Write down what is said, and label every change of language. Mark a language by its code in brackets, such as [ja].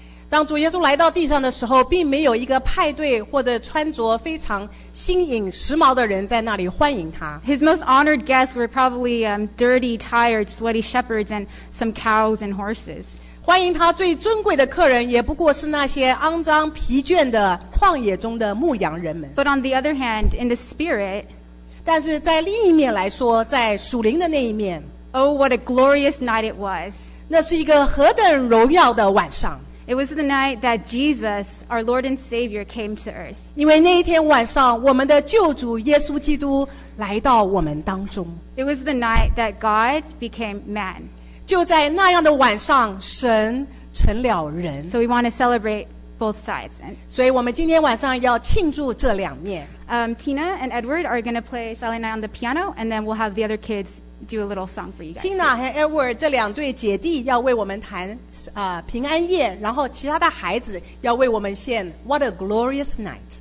[zh] 当主耶稣来到地上的时候，并没有一个派对或者穿着非常新颖时髦的人在那里欢迎他。 [en] His most honored guests were probably dirty, tired, sweaty shepherds and some cows and horses. [zh] 欢迎他最尊贵的客人也不过是那些肮脏疲倦的旷野中的牧羊人们。 [en] But on the other hand, in the spirit, [zh] 但是在另一面来说，在属灵的那一面， [en] Oh, what a glorious night it was. [zh] 那是一个何等荣耀的晚上。 [en] It was the night that Jesus, our Lord and Savior, came to earth. [zh] 因为那一天晚上，我们的救主耶稣基督来到我们当中。 [en] It was the night that God became man. [zh] 就在那样的晚上，神成了人。 [en] So we want to celebrate both sides. [zh] 所以我们今天晚上要庆祝这两面。 [en] Tina and Edward are going to play Silent Night on the piano, and then we'll have the other kids do a little song for you guys. [zh] Tina 和 Edward 这两对姐弟要为我们弹平安夜，然后其他的孩子要为我们献 What a Glorious Night.